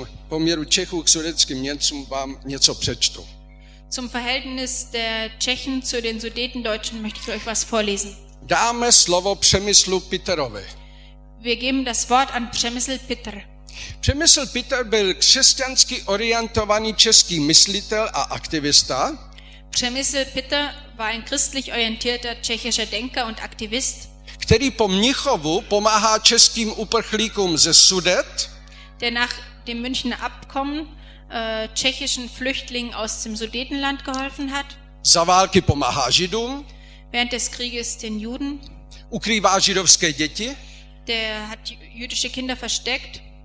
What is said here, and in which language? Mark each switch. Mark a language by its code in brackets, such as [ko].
[cs] Poměru Čechů k sudeckým Němcům vám něco přečtu. [de] Zum Verhältnis der Tschechen zu den Sudetendeutschen möchte ich euch was vorlesen. [cs] Dáme slovo Přemyslu Pitterovi. [de] Wir geben das Wort an Přemysl Pitter. [cs] Přemysl Pitter byl křesťansky orientovaný český myslitel a aktivista. [de] Přemysl Pitter war ein christlich orientierter tschechischer Denker und Aktivist. [cs] Který po Mnichovu pomáhá českým uprchlíkům ze Sudet. [de] Der nach dem Münchner Abkommen tschechischen Flüchtlingen aus dem Sudetenland geholfen hat. [cs] Za války pomáhá Židům. [de] Während des Krieges den Juden. [cs] Ukrývá židovské děti. [de] Der hat jüdische Kinder versteckt.